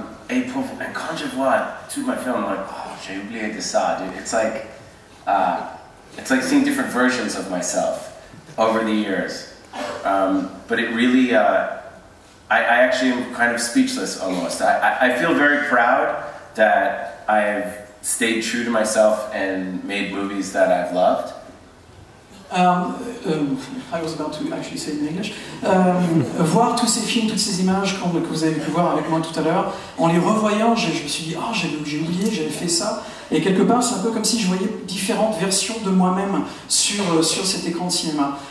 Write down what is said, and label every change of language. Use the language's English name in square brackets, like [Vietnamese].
[French] Et quand je vois tous mes films, like, oh, j'ai oublié de ça. [English] It's like seeing different versions of myself over the years. But I actually am kind of speechless almost. I feel very proud that I've stayed true to myself and made movies that I've loved. I was about to actually say it in English. [French] Voir tous ces films, toutes ces images que vous avez pu voir avec moi tout à l'heure, en les revoyant, je me suis dit, oh, j'ai oublié, j'avais fait ça. Et quelque part, c'est un peu comme si je voyais différentes versions de moi-même sur cet écran de cinéma.